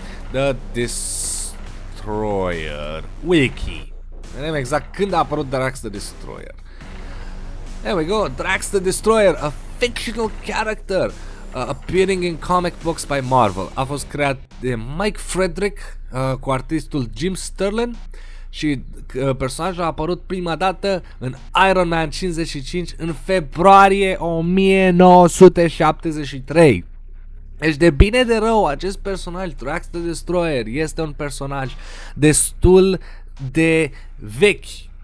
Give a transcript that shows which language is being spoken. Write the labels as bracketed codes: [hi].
[en] The Destroyer Wiki. [ro] Vedem exact când a apărut Drax the Destroyer. [en] There we go, Drax the Destroyer, a fictional character appearing in comic books by Marvel. [ro] A fost creat de Mike Frederick cu artistul Jim Sterlin și personajul a apărut prima dată în Iron Man 55 în februarie 1973. Deci de bine de rău, acest personaj, Drax the Destroyer, este un personaj destul de vechi.